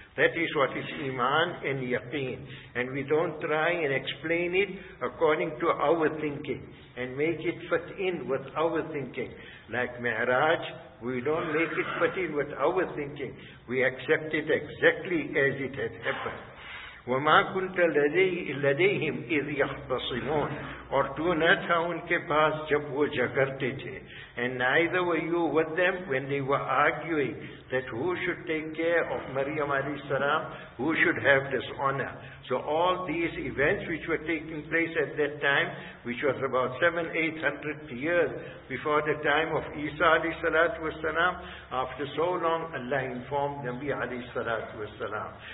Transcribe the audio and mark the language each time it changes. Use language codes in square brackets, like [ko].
[en] That is what is iman and yaqeen. And we don't try and explain it according to our thinking and make it fit in with our thinking. Like Mi'raj, we don't make it fit in with our thinking. We accept it exactly as it has happened. [ar] وَمَا كُنْتَ لَدَيْهِمْ إِذْ يَخْتَصِمُونَ [ur] اور تو نہ تھا ان کے پاس جب وہ جھگڑتے تھے. [en] And neither were you with them when they were arguing that who should take care of Maryam alayhi salam, who should have this honor. So all these events which were taking place at that time, which was about 700-800 years before the time of Isa alayhi salatu was salam, after so long Allah informed Nabi alayhi salatu was salam.